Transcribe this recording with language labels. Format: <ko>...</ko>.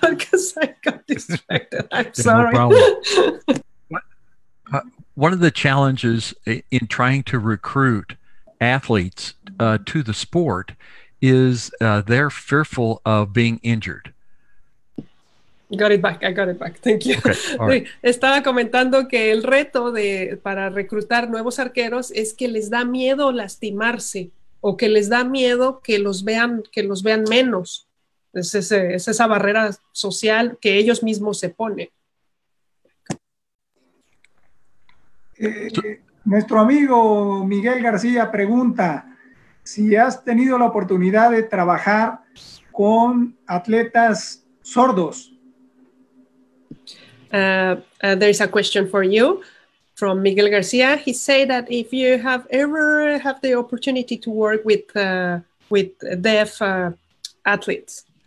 <en>Because I got distracted. I'm sorry. No problem. One of the challenges in trying to recruit athletes to the sport is they're fearful of being injured. I got it back. Thank you. Okay. Right.</en> <es>Estaba comentando que el reto para reclutar nuevos arqueros es que les da miedo lastimarse, o que les da miedo que los vean menos. Es esa barrera social que ellos mismos se ponen. Nuestro amigo Miguel García pregunta si has tenido la oportunidad de trabajar con atletas sordos.</es> <en>There is a question for you from Miguel Garcia. He said that if you have ever have the opportunity to work with deaf athletes.</en>